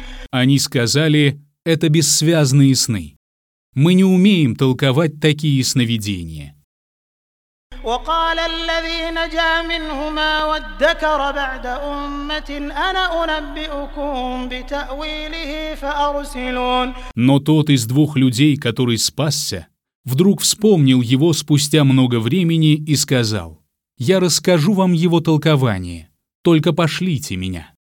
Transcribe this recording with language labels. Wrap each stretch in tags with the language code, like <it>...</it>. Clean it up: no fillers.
<ru>Они сказали: «Это бессвязные сны. Мы не умеем толковать такие сновидения».</ru> <ar>وقال الذي نجا منهما وادكر بعد أمة أنا أنبئكم بتأويله فأرسلون.</ar> <ru>Но тот из двух людей, который спасся, вдруг вспомнил его спустя много времени и сказал: «Я расскажу вам его толкование, только пошлите меня».</ru>